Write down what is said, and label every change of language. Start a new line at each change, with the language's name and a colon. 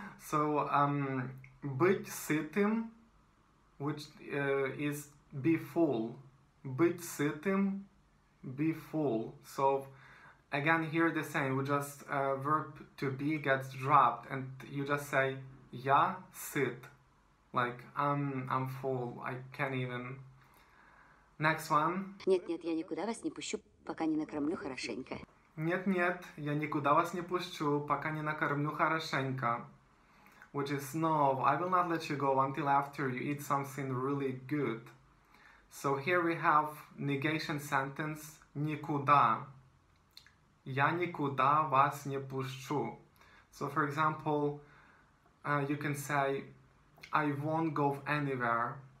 English: So,
Russian: быть сытым,
English: which is be full.
Russian: Быть сытым,
English: be full. So, again, here the same. We just verb to be gets dropped, and you just say
Russian: я сыт,
English: like I'm full. I can't even. Next one.
Russian: Нет, нет, я никуда вас не пущу, пока не накормлю хорошенько. Нет, нет, я никуда вас не пущу, пока не накормлю хорошенько.
English: Which is no, I will not let you go until after you eat something really good. So here we have negation sentence никуда.
Russian: Я никуда вас не пущу.
English: So for example, you can say I won't go anywhere.